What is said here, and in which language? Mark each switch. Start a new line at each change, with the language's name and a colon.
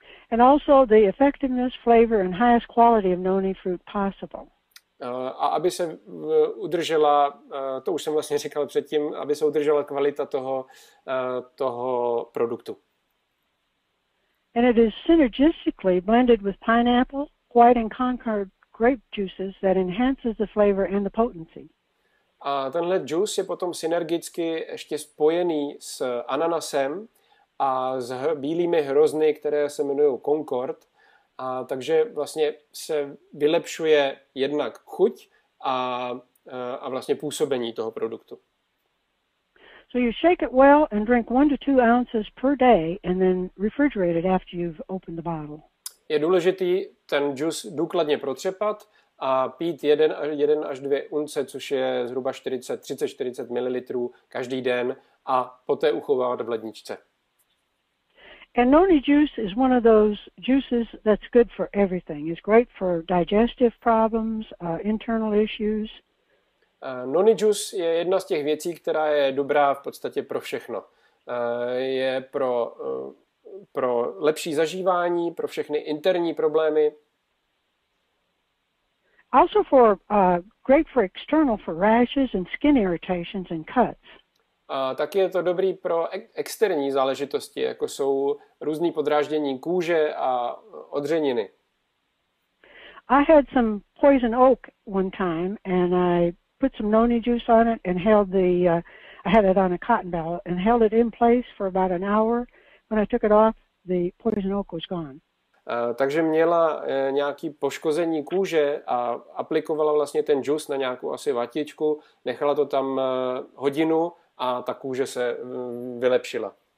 English: And also the effectiveness, flavor and highest quality of noni fruit possible.
Czech: A aby se udržela, to už jsem vlastně říkal předtím, aby se udržela kvalita toho produktu.
English: And it is synergistically blended with pineapple, white and Concord grape juices that enhances the flavor and the potency.
Czech: A tenhle juice je potom synergicky ještě spojený s ananasem a s bílými hrozny, které se jmenují Concord. A takže vlastně se vylepšuje jednak chuť a vlastně působení toho produktu.
English: So you shake it well and drink 1 to 2 ounces per day and then refrigerate it after you've opened the bottle.
Czech: Je důležitý ten juice důkladně protřepat a pít 1 až 2 unce, což je zhruba 30-40 ml každý den, a poté uchovávat v ledničce.
English: And noni juice is one of those juices that's good for everything. It's great for digestive problems, internal issues.
Czech: Noni juice je jedna z těch věcí, která je dobrá v podstatě pro všechno. Je pro lepší zažívání, pro všechny interní problémy.
English: Also for great for external, for rashes and skin irritations and cuts.
Czech: A taky je to dobrý pro externí záležitosti, jako jsou různý podráždění kůže a odřeniny.
English: I had some poison oak one time and I put some noni juice on it and I had it on a cotton ball and held it in place for about an hour. When I took it off, the poison oak was gone.
Czech: Takže měla nějaké poškození kůže a aplikovala vlastně ten juice na nějakou asi vatičku, nechala to tam hodinu a ta kůže se vylepšila.